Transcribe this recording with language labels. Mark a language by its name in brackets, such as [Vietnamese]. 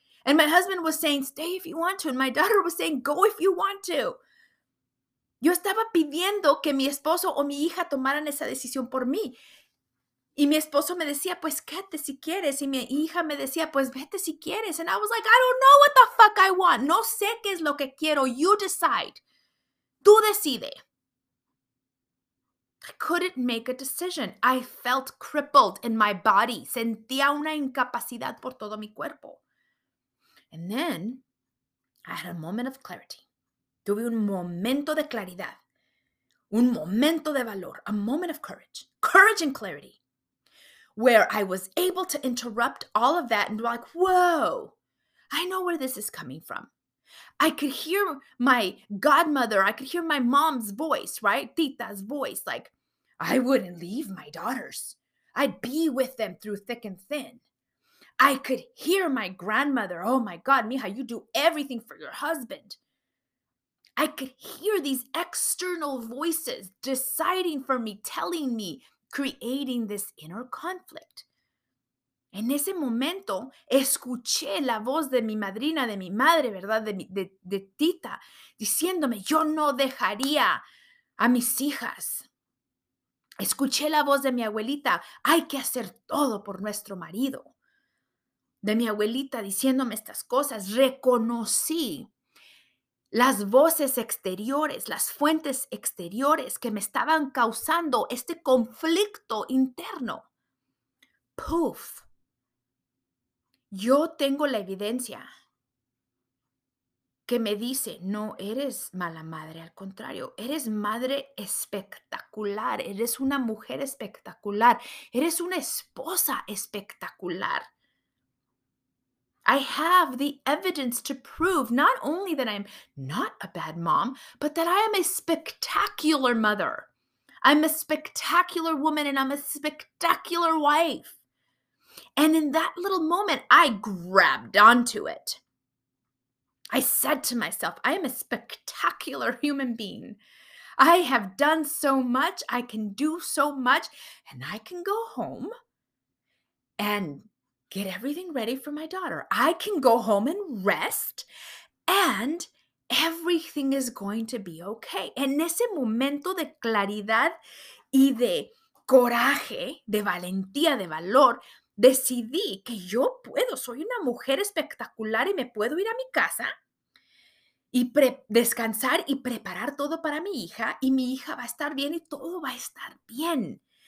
[English] And my husband was saying, stay if you want to. And my daughter was saying, go if you want to. [Spanish] Yo estaba pidiendo que mi esposo o mi hija tomaran esa decisión por mí. Y mi esposo me decía, pues quédate si quieres. Y mi hija me decía, pues vete si quieres. [English] And I was like, I don't know what the fuck I want. [Spanish] No sé qué es lo que quiero. [English] You decide. [Spanish] Tú decide. [English] I couldn't make a decision. I felt crippled in my body. [Spanish] Sentía una incapacidad por todo mi cuerpo. [English] And then I had a moment of clarity. [Spanish] Tuve un momento de claridad. Un momento de valor. [English] A moment of courage. Courage and clarity. Where I was able to interrupt all of that and be like, whoa, I know where this is coming from. I could hear my godmother. I could hear my mom's voice, right? Tita's voice. Like, I wouldn't leave my daughters. I'd be with them through thick and thin. I could hear my grandmother, oh my God, mija, you do everything for your husband. I could hear these external voices deciding for me, telling me, creating this inner conflict. [Spanish] En ese momento, escuché la voz de mi madrina, de mi madre, ¿verdad? De Tita, diciéndome, yo no dejaría a mis hijas. Escuché la voz de mi abuelita, hay que hacer todo por nuestro marido. De mi abuelita diciéndome estas cosas, reconocí las voces exteriores, las fuentes exteriores que me estaban causando este conflicto interno. Poof. Yo tengo la evidencia que me dice, no eres mala madre, al contrario, eres madre espectacular, eres una mujer espectacular, eres una esposa espectacular. [English] I have the evidence to prove not only that I'm not a bad mom, but that I am a spectacular mother. I'm a spectacular woman and I'm a spectacular wife. And in that little moment, I grabbed onto it. I said to myself, I am a spectacular human being. I have done so much, I can do so much, and I can go home and get everything ready for my daughter. I can go home and rest, and everything is going to be okay. [Spanish] En ese momento de claridad y de coraje, de valentía, de valor, decidí que yo puedo, soy una mujer espectacular y me puedo ir a mi casa y descansar y preparar todo para mi hija, y mi hija va a estar bien y todo va a estar bien.